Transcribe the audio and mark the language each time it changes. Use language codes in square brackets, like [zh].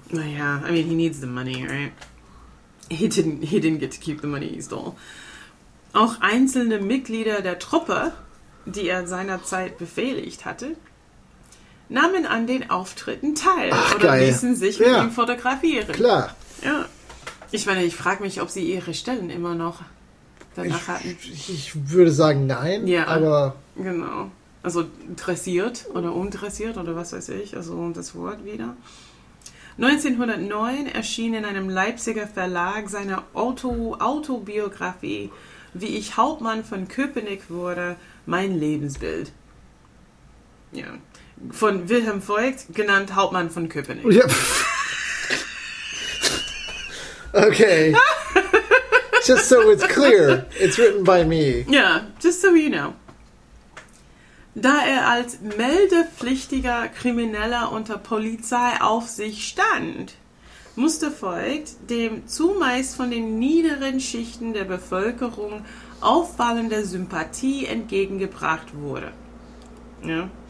[en] Yeah, I mean, he needs the money, right? He didn't get to keep the money he stole. [de] Auch einzelne Mitglieder der Truppe, die er seinerzeit befehligt hatte, nahmen an den Auftritten teil. Ach, oder geil. Ließen sich mit ihm fotografieren. Klar. Ja. Ich meine, ich frage mich, ob sie ihre Stellen immer noch... danach hatten. Ich würde sagen nein, ja, aber... Genau. Also dressiert oder undressiert oder was weiß ich, also das Wort wieder. 1909 erschien in einem Leipziger Verlag seine Autobiografie Wie ich Hauptmann von Köpenick wurde, mein Lebensbild. Ja. Von Wilhelm Voigt, genannt Hauptmann von Köpenick. Ja. Okay. [en] Just so it's clear, it's written by me. Yeah, just so you know. [de] Da er als meldepflichtiger Krimineller unter Polizeiaufsicht stand, musste Voigt, dem zumeist von den niederen Schichten der Bevölkerung auffallender Sympathie entgegengebracht wurde. Ja.